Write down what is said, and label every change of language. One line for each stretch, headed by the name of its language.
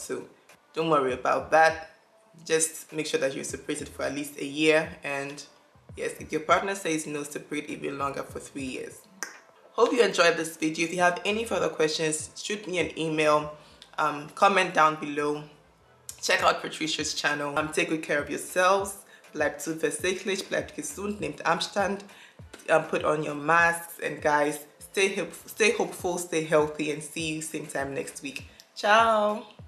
English: So don't worry about that. Just make sure that you're separated for at least a year. And yes, if your partner says no, separate even longer, for 3 years. Hope you enjoyed this video. If you have any further questions, shoot me an email, comment down below. Check out Patricia's channel. Take good care of yourselves.
German: Bleibt zuversichtlich, bleibt gesund, nehmt Abstand.
English: Put on your masks. And guys, stay hopeful, stay healthy, and see you same time next week. Ciao.